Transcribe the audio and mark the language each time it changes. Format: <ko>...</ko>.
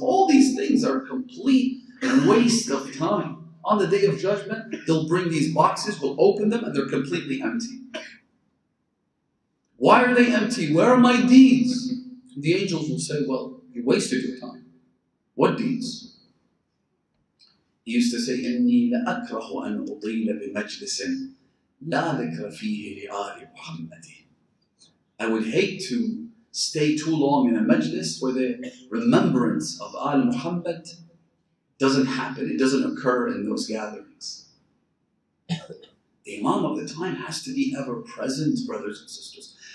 <en>All these things are a complete waste of time. On the day of judgment, they'll bring these boxes, we'll open them, and they're completely empty. Why are they empty? Where are my deeds? The angels will say, well, you wasted your time. What deeds? He used to say,</en> <ar>إِنِّي لَأَكْرَهُ أَنْ أُطِيلَ بِمَجْلِسٍ لَا ذِكْرَ فِيهِ لِآلِ مُحَمَّدِ.</ar> <en>I would hate to stay too long in a majlis where the remembrance of Al Muhammad doesn't happen. It doesn't occur in those gatherings. The Imam of the time has to be ever present, brothers and sisters.</en>